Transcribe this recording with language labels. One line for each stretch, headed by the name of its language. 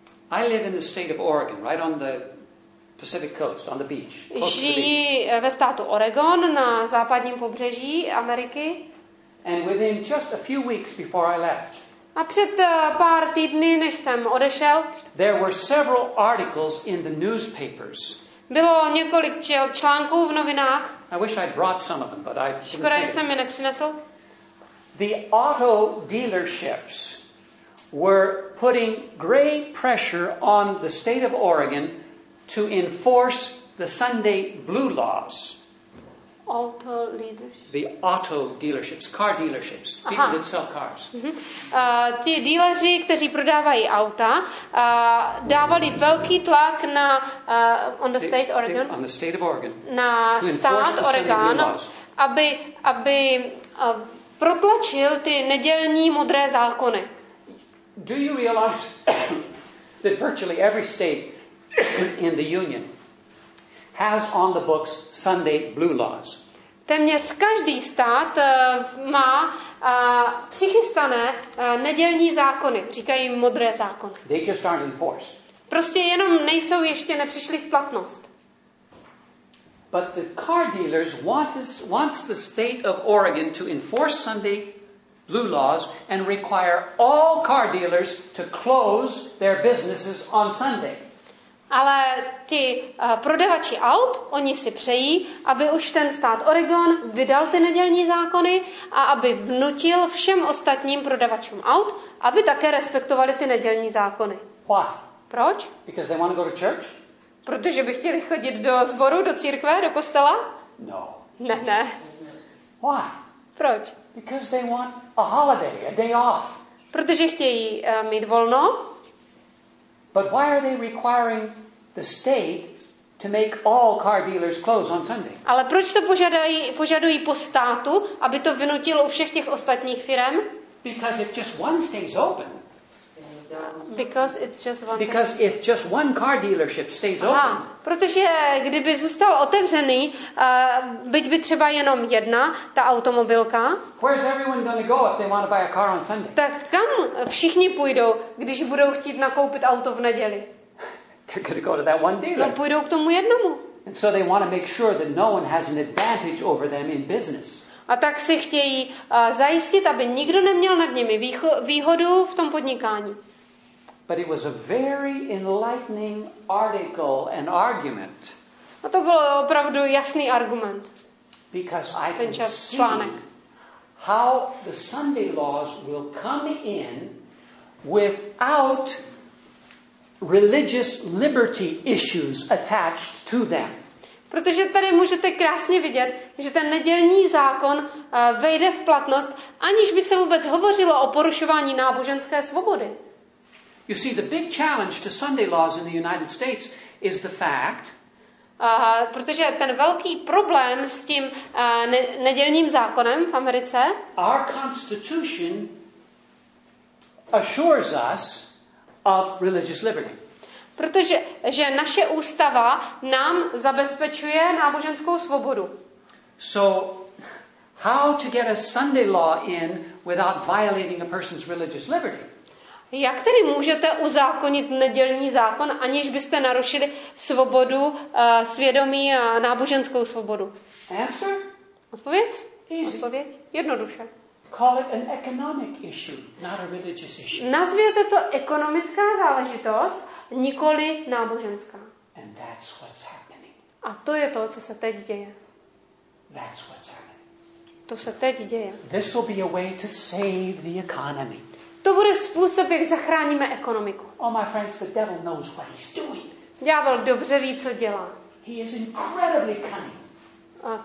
English: I live in the state of Oregon, right on the Pacific coast, on the beach.
Czech: Žijí ve státu Oregon na západním pobřeží Ameriky.
English: And within just a few weeks before I left.
Czech: A před pár týdny, než jsem odešel,
English: there were several articles in the newspapers.
Czech: Bylo několik článků v novinách.
English: I wish I'd brought some of them, but I didn't.
Czech: Škoda, že jsem je nepřinesl.
English: The auto dealerships were putting great pressure on the state of Oregon to enforce the Sunday blue laws. Auto leaders. The auto dealerships, car dealerships, people that sell cars.
Czech: Ti díleři, kteří prodávají auta, dávali velký tlak na
English: on the state Oregon. On the state of Oregon.
Czech: Na stát Oregon, aby protlačil ty nedělní modré zákony.
English: Do you realize that virtually every state in the union has on the books Sunday blue laws?
Czech: Téměř každý stát má přichystané nedělní zákony, říkají modré zákony.
English: They just aren't enforced.
Czech: Prostě jenom nejsou, ještě nepřišli v platnost.
English: But the car dealers wants the state of Oregon to enforce Sunday blue laws and require all car dealers to close their businesses on Sunday.
Czech: Ale ti prodavači aut, oni si přejí, aby už ten stát Oregon vydal ty nedělní zákony a aby vnutil všem ostatním prodavačům aut, aby také respektovali ty nedělní zákony.
English: Why?
Czech: Proč?
English: Because they want to go to church?
Czech: Protože by chtěli chodit do sboru, do církve, do kostela?
English: No.
Czech: Ne, ne.
English: Why?
Czech: Proč?
English: Because they want a holiday, a day off.
Czech: Protože chtějí mít volno.
English: But why are they requiring the state to make all car dealers close on Sunday?
Czech: Ale proč to požadují po státu, aby to vynutilo u všech těch ostatních firem?
English: Because if just one stays open. Because it's just one. Because if just one car dealership stays open.
Czech: Protože kdyby zůstal otevřený, byť by třeba jenom jedna ta automobilka.
English: Where's everyone going to go if they want to buy a car on Sunday?
Czech: Tak kam všichni půjdou, když budou chtít nakoupit auto v neděli?
English: They're going to go to that one dealer.
Czech: No, půjdou k tomu jednomu.
English: And so they want to make sure that no one has an advantage over them in business.
Czech: A tak si chtějí zajistit, aby nikdo neměl nad nimi výhodu v tom podnikání.
English: But it was a very enlightening article and argument.
Czech: A to bylo opravdu jasný argument.
English: Because I can see how the Sunday laws will come in without religious liberty issues attached to them.
Czech: Protože tady můžete krásně vidět, že ten nedělní zákon vejde v platnost, aniž by se vůbec hovořilo o porušování náboženské svobody.
English: You see, the big challenge to Sunday laws in the United States is the fact.
Czech: Protože ten velký problém s tím nedělním zákonem v Americe.
English: Our constitution assures us of religious liberty.
Czech: Protože že naše ústava nám zabezpečuje náboženskou svobodu.
English: So how to get a Sunday law in without violating a person's religious liberty?
Czech: Jak tedy můžete uzákonit nedělní zákon, aniž byste narušili svobodu svědomí a náboženskou svobodu?
English: Answer?
Czech: Odpověď? Jednoduše.
English: Call it an economic issue, not a religious issue.
Czech: Nazvěte to ekonomická záležitost, nikoli náboženská.
English: And that's what's happening.
Czech: A to je to, co se teď děje.
English: That's what's happening.
Czech: To se teď děje.
English: This will be a way to save the economy.
Czech: To bude způsob, jak zachráníme ekonomiku.
English: Oh, my friends, the devil knows what he's doing.
Czech: Ďábel dobře ví, co dělá.
English: He is incredibly cunning.